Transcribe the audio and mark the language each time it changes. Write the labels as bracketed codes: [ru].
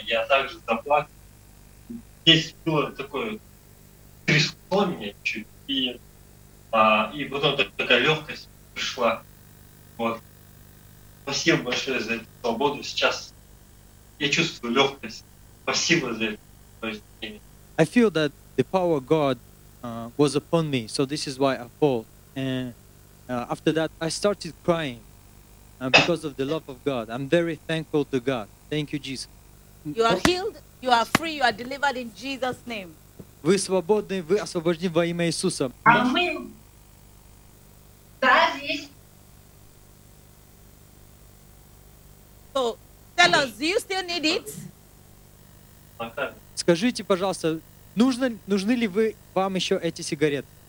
[ru] Я также заплакал. Здесь было такое, трясло меня чуть. И потом такая легкость пришла. Вот. Спасибо большое за эту свободу. я чувствую легкость. Спасибо за это. [en] I feel that the power of God was upon me, so this is why I fall. And after that, I started crying because of the love of God. I'm very thankful to God. Thank you, Jesus. You are healed, you are free, you are delivered in Jesus' name. [ru] Вы свободны, вы освобождены во имя Иисуса. А мы, да, здесь, мы [en] So, tell us, do you still need it? Okay. [ru] Скажите, пожалуйста, нужны ли вам еще эти сигареты?